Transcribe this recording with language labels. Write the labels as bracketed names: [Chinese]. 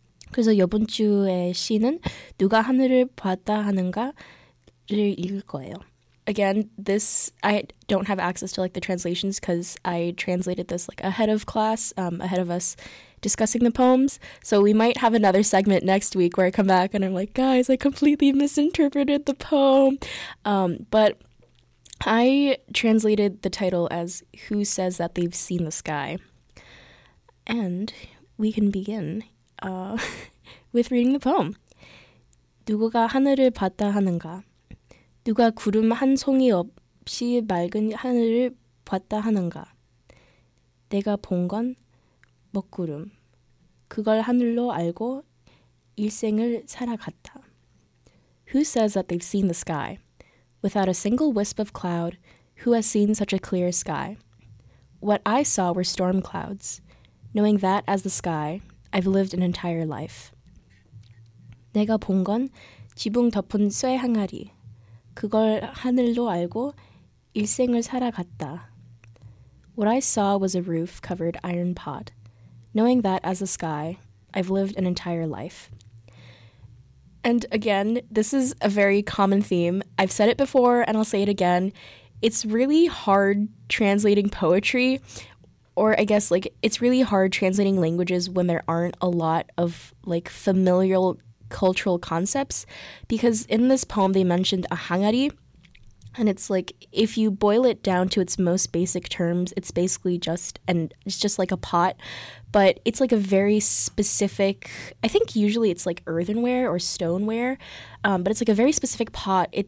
[Korean] 그래서 이번 주에 시는 누가 하늘을 봤다 하는가를 읽을 거예요. [English] Again, this, I don't have access to like the translations because I translated this like ahead of class, ahead of us discussing the poems. So we might have another segment next week where I come back and I'm like, guys, I completely misinterpreted the poem. But I translated the title as Who Says That They've Seen the Sky? And we can begin with reading the poem. [Korean] 누구가 하늘을 봤다 하는가? 누가 구름 한 송이 없이 맑은 하늘을 봤다 하는가? 내가 본 건 먹구름. 그걸 하늘로 알고 일생을 살아갔다. [English] Who says that they've seen the sky? Without a single wisp of cloud, who has seen such a clear sky? What I saw were storm clouds. Knowing that as the sky, I've lived an entire life. [Korean] 내가 본 건 지붕 덮은 쇠 항아리. 그걸 하늘로 알고 일생을 살아갔다. [English] What I saw was a roof-covered iron pot. Knowing that as the sky, I've lived an entire life. And again, this is a very common theme. I've said it before, and I'll say it again. It's really hard translating poetry, or I guess, like, it's really hard translating languages when there aren't a lot of, like, familial cultural concepts, because in this poem they mentioned a hangari, and it's like, if you boil it down to its most basic terms, it's basically just, and it's just like a pot, but it's like a very specific, I think usually it's like earthenware or stoneware, but it's like a very specific pot.